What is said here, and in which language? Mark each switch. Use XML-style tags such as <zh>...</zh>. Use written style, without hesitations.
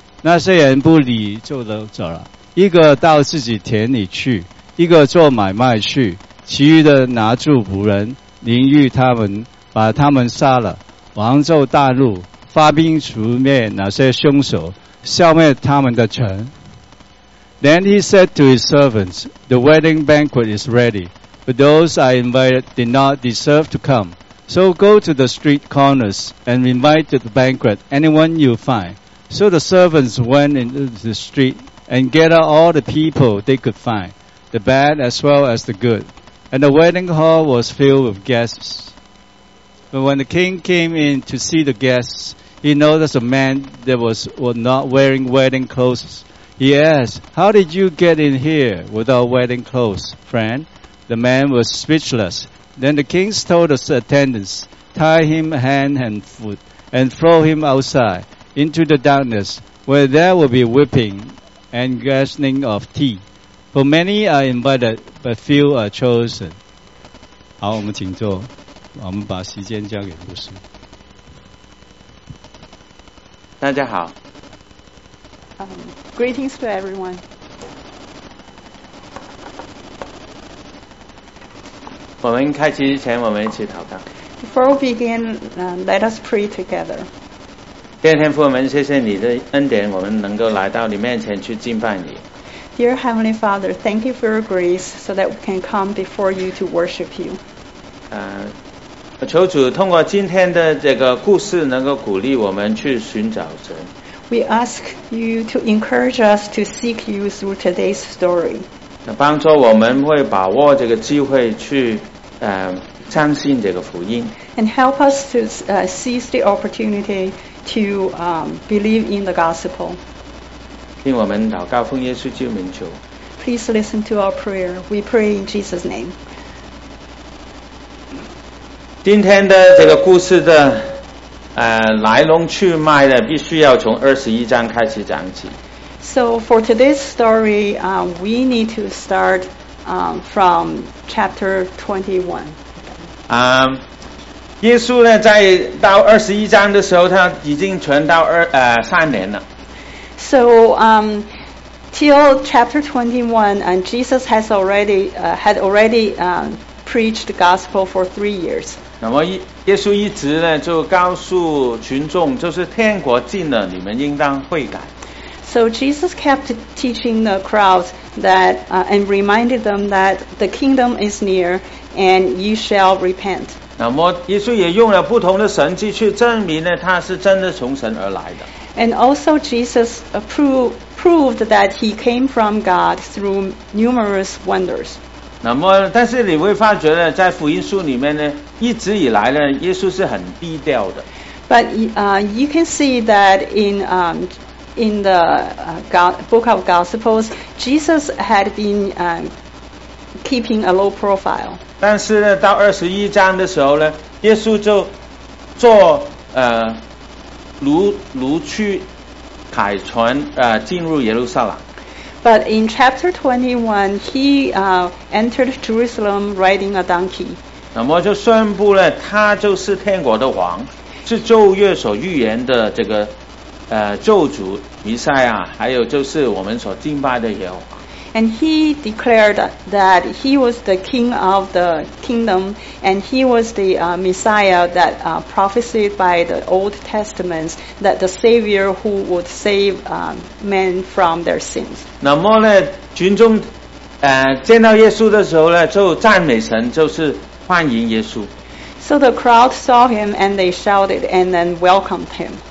<zh>那些人不理就都走了，一个到自己田里去，一个做买卖去，其余的拿住仆人凌辱他们，把他们杀了。王就大怒，发兵除灭那些凶手，消灭他们的城。</zh> <en>Then he said to his servants, the wedding banquet is ready, but those I invited did not deserve to come. So go to the street corners and invite to the banquet anyone you find. So the servants went into the street and gathered all the people they could find, the bad as well as the good. And the wedding hall was filled with guests. But when the king came in to see the guests, he noticed a man that was not wearing wedding clothes. He asked, how did you get in here without wedding clothes, friend? The man was speechless. Then the king told his attendants, tie him hand and foot and throw him outside into the darkness, where there will be weeping and gnashing of teeth. For many are invited, but few are chosen.</en> <zh>好，我们请坐，我们把时间交给牧师。大家好。</zh> <en>Greetings to everyone.</en> <zh>我们开始之前，我们一起祷告。</zh> <en>Before we begin, let us pray together.</en> <zh>天父，我们谢谢你的恩典，我们能够来到你面前去敬拜你。</zh> <en>Dear Heavenly Father, thank you for your grace so that we can come before you to worship you.</en> <zh>求主通过今天的这个故事，能够鼓励我们去寻找神。</zh> <en>We ask you to encourage us to seek you through today's story.</en> <zh>帮助我们会把握这个机会去相信这个福音。</zh> <en>And help us to seize the opportunity. To believe in the gospel.</en> <zh>听我们祷告，奉耶稣基督名求。</zh> <en>Please listen to our prayer. We pray in Jesus' name.</en> <zh>今天的这个故事的来龙去脉呢，必须要从21章开始讲起。</zh> <en>So for today's story, we need to start from chapter 21.</en> <zh>耶稣呢，在到二十一章的时候，他已经传道三年了。</zh> <en>So, till chapter 21, and Jesus has already preached the gospel for 3 years.</en> <zh>那么耶稣一直呢，就告诉群众，就是天国近了，你们应当悔改。</zh> <en>So Jesus kept teaching the crowds that and reminded them that the kingdom is near, and you shall repent.</en> <zh>那么耶稣也用了不同的神迹去证明呢，他是真的从神而来的。</zh> <en>And also Jesus proved that he came from God through numerous wonders.</en> <zh>那么，但是你会发觉呢，在福音书里面呢，一直以来呢，耶稣是很低调的。</zh> <en>But you can see that in the book of Gospels, Jesus had been keeping a low profile.</en> <zh>但是呢，到二十一章的时候呢，耶稣就坐驴去凯旋进入耶路撒冷。</zh> <en>But in chapter 21, he entered Jerusalem riding a donkey.</en> <zh>那么就宣布了，他就是天国的王，是旧约所预言的这个救主弥赛亚，还有就是我们所敬拜的耶和华。</zh> <en>And he declared that he was the king of the kingdom, and he was the Messiah that prophesied by the Old Testament, that the Savior who would save men from their sins.</en> <zh>那么呢，群众见到耶稣的时候呢，就赞美神，就是欢迎耶稣。</zh> <en>So the crowd saw him and they shouted and then welcomed him.</en>